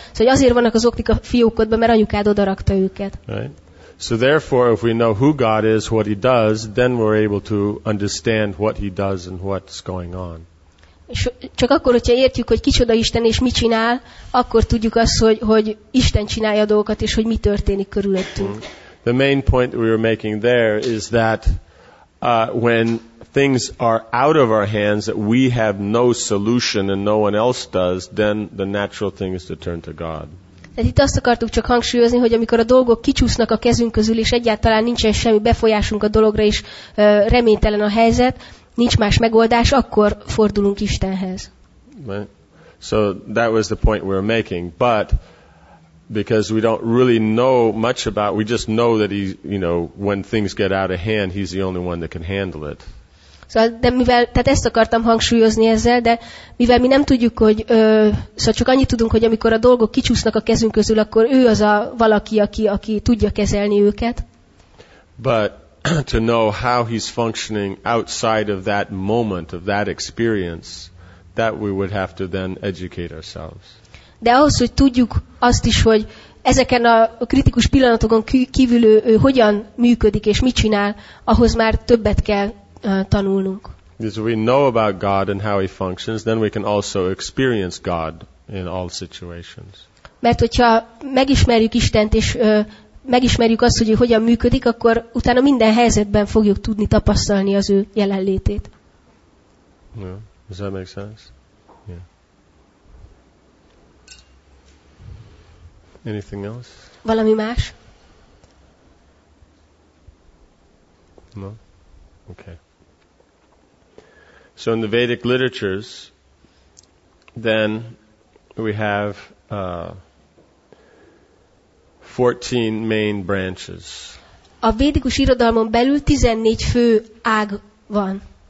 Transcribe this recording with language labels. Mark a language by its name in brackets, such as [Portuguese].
[Hungarian] Szóval, hogy azért vannak a zoknik a fiókodban, mert anyukád odarakta őket. [English] Right. So therefore, if we know who God is, what he does, then we're able to understand what he does and what's going on. [Hungarian] Csak akkor, hogyha értjük, hogy kicsoda Isten és mit csinál, akkor tudjuk azt, hogy Isten csinálja a dolgokat, és hogy mi történik körülöttünk. [English] The main point we were making there is that when things are out of our hands, that we have no solution and no one else does, then the natural thing is to turn to God. [Hungarian] Tehát itt azt akartuk csak hangsúlyozni, hogy amikor a dolgok kicsúsznak a kezünk közül, és egyáltalán nincsen semmi befolyásunk a dologra, és reménytelen a helyzet, nincs más megoldás, akkor fordulunk Istenhez. [English] So that was the point we were making, but because we don't really know much about, we just know that he, you know, when things get out of hand, he's the only one that can handle it. [Hungarian] Szóval, tehát ezt akartam hangsúlyozni ezzel, de mivel mi nem tudjuk, hogy szóval csak annyit tudunk, hogy amikor a dolgok kicsúsznak a kezünk közül, akkor ő az a valaki, aki tudja kezelni őket. [English] But to know how he's functioning outside of that moment, of that experience, that we would have to then educate ourselves. [Hungarian] De ahhoz, hogy tudjuk azt is, hogy ezeken a kritikus pillanatokon kívül ő hogyan működik és mit csinál, ahhoz már többet kell tanulnunk. [English] If we know about God and how he functions, then we can also experience God in all situations. [Hungarian] Mert hogyha megismerjük Istent és megismerjük azt, hogy ő hogyan működik, akkor utána minden helyzetben fogjuk tudni tapasztalni az ő jelenlétét. [English] Yeah. Does that make sense? Yeah. Anything else? [Hungarian] Valami más? [English] No? Okay. So in the Vedic literatures, then we have 14 main branches. [Hungarian] A védikus irodalmon belül 14 fő ág van.